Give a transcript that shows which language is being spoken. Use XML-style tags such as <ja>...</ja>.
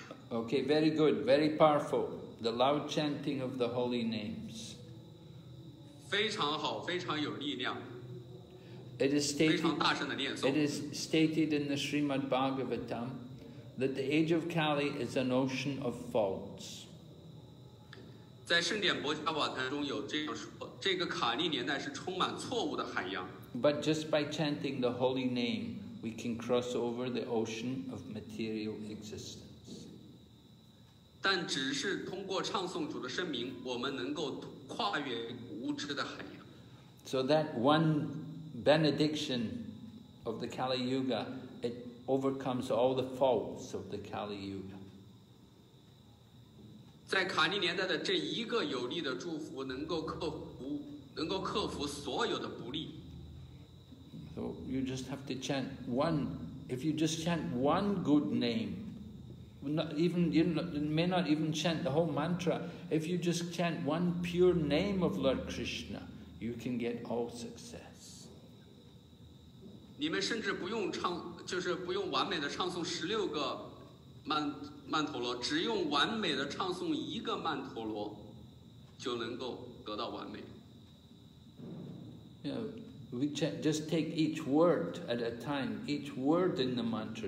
<en>Okay, very good, very powerful. The loud chanting of the holy names.</en> <zh>非常好，非常有力量。</zh> <en>It is stated,</en> <zh>非常大声的念诵。</zh> <en>It is stated in the Srimad Bhagavatam that the age of Kali is an ocean of faults.</en> <zh>在圣典薄伽瓦坛中有这样说，这个卡利年代是充满错误的海洋。</zh> <en>But just by chanting the holy name, we can cross over the ocean of material existence.</en> <zh>但只是通过唱诵主的圣名，我们能够跨越无知的海洋。</zh> <en>So that one benediction of the Kali Yuga, it overcomes all the faults of the Kali Yuga.</en> <zh>在卡利年代的这一个有力的祝福，能够克服所有的不利。</zh> <en>So you just have to chant one. If you just chant one good name. You may not even chant the whole mantra. If you just chant one pure name of Lord Krishna, you can get all success.</en> <zh>你们甚至不用唱，就是不用完美的唱诵十六个曼陀罗，只用完美的唱诵一个曼陀罗，就能够得到完美。</zh> <en>Yeah, we chant, just take each word at a time, each word in the mantra.</en>